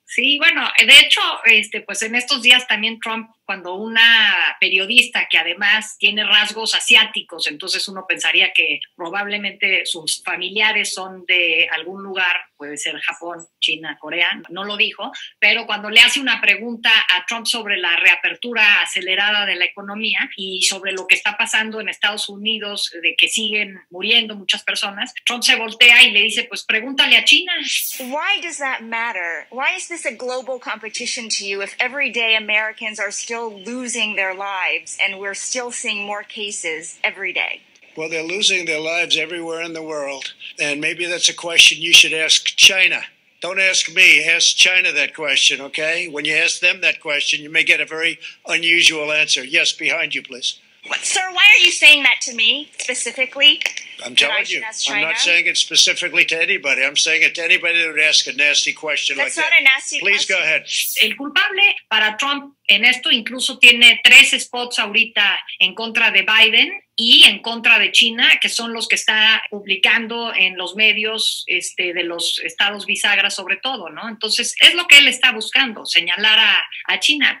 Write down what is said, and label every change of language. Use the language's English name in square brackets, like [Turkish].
[Spanish] Sí, bueno, de hecho, pues en estos días también Trump, cuando una periodista que además tiene rasgos asiáticos, entonces uno pensaría que probablemente sus familiares son de algún lugar, puede ser Japón, China, Corea, no lo dijo, pero cuando le hace una pregunta a Trump sobre la reapertura acelerada de la economía y sobre lo que está pasando en Estados Unidos, de que siguen muriendo muchas personas, Trump se voltea y le dice, pues pregúntale a China. [English] Why does that matter? Why is this a global competition to you if everyday Americans are still losing their lives and we're still seeing more cases every day? Well, they're losing their lives everywhere in the world, and maybe that's a question you should ask China. Don't ask me, ask China that question, okay? When you ask them that question, you may get a very unusual answer. Yes, behind you, please. What, sir, why are you saying that to me specifically? I'm telling you, I'm not saying it specifically to anybody. I'm saying it to anybody that would ask a nasty question like that. That's not a nasty question. Please go ahead. [Spanish] El culpable para Trump en esto incluso tiene tres spots ahorita en contra de Biden y en contra de China, que son los que está publicando en los medios de los estados bisagra sobre todo, ¿no? Entonces, es lo que él está buscando, señalar a China.